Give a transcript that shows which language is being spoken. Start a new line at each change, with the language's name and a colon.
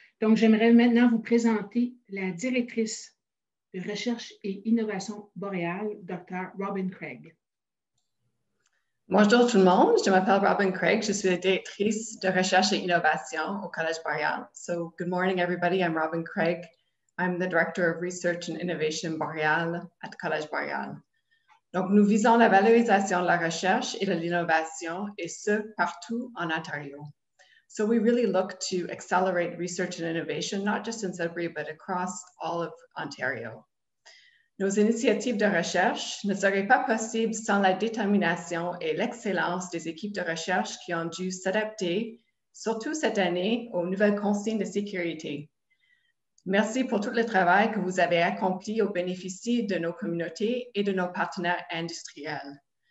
French: Donc, j'aimerais maintenant vous présenter la directrice de recherche et innovation boréale, Dr. Robin Craig. Bonjour tout le monde, je m'appelle Robin Craig, je suis la directrice de recherche et innovation au Collège Boréal.
English: So, good morning everybody, I'm Robin Craig. I'm the Director of Research and Innovation Boréal at Collège Boréal.
French: Donc, nous visons la valorisation de la recherche et de l'innovation, et ce, partout en Ontario.
English: So, we really look to accelerate research and innovation, not just in Sudbury, but across all of Ontario.
French: Nos initiatives de recherche ne seraient pas possibles sans la détermination et l'excellence des équipes de recherche qui ont dû s'adapter, surtout cette année, aux nouvelles consignes de sécurité. Merci pour tout le travail que vous avez accompli au bénéfice de nos communautés et de nos partenaires industriels.